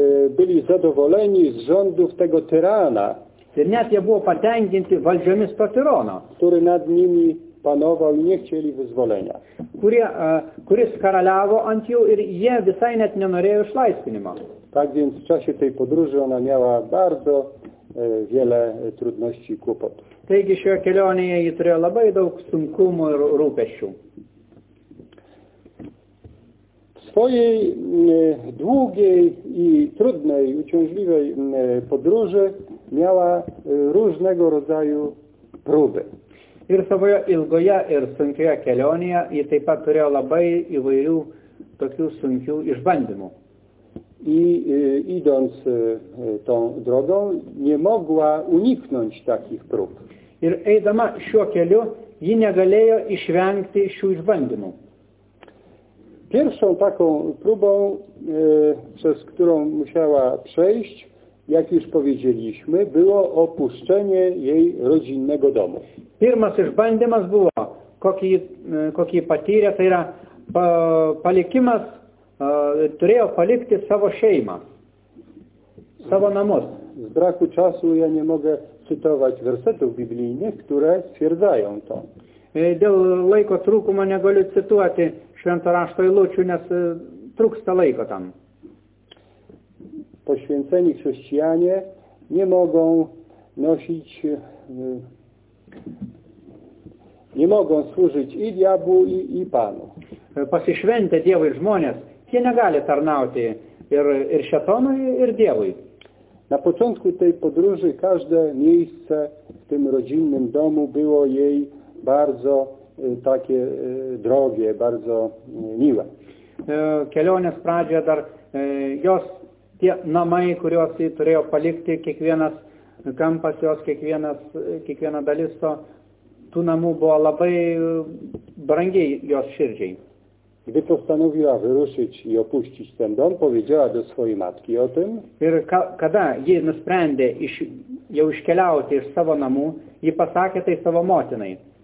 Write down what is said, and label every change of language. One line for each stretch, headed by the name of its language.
Polish: byli zadowoleni z rządów tego tyrana,
Lithuanian: ir net jie buvo patenkinti valdžiomis to tyrono,
Polish: który nad nimi panował i nie chcieli wyzwolenia.
Lithuanian: Kuris karaliavo ant jų ir jie visai net nenorėjo išlaisvinimo.
Polish: Tak więc w czasie tej podróży ona miała bardzo wiele trudności i kłopotów.
Lithuanian: Taigi šioje kelionėje ji turėjo labai daug sunkumų ir rūpesčių.
Polish: W swojej długiej i trudnej, uciążliwej podróży miała różnego rodzaju próby.
Lithuanian: Ir savoje ilgoje ir sunkioje kelionėje ji taip pat turėjo labai įvairių tokių sunkių išbandymų.
Polish: I idąc tą drogą nie mogła uniknąć takich prób.
Lithuanian: Ir eidama šiuo keliu ji negalėjo išvengti šių išbandymų.
Polish: Pierwszą taką próbą, przez którą musiała przejść, jak już powiedzieliśmy, było opuszczenie jej rodzinnego domu.
Lithuanian: Pirmas išbandymas buvo, kokį patyrė, tai yra palikimas, turėjo palikti savo šeimą, savo namus.
Polish: Z braku czasu ja nie mogę cytować wersetów biblijnych, które stwierdzają to.
Lithuanian: Dėl laiko trūkumo negaliu cituoti švento rašto eilučių, nes trūksta laiko tam.
Polish: Poświęceni chrześcijanie nie mogą nosić, nie mogą służyć i diabłu, i panu.
Lithuanian: Pasišventę dievui žmonės, jie negali tarnauti ir šetonui, ir dievui.
Polish: Na początku tej podróży każde miejsce w tym rodzinnym domu było jej bardzo takie drogie, bardzo miłe.
Lithuanian: Kelionės pradžioje dar jos tie namai, kuriuos jį turėjo palikti, kiekvienas kampas jos, kiekviena dalis to, tų namų buvo labai brangiai jos širdžiai.
Polish: Gdy postanowiła wyruszyć i opuścić ten dom, powiedziała do swojej matki o tym.
Lithuanian: Ir kada ji nusprendė jau iškeliauti iš savo namų, ji pasakė tai savo motinai.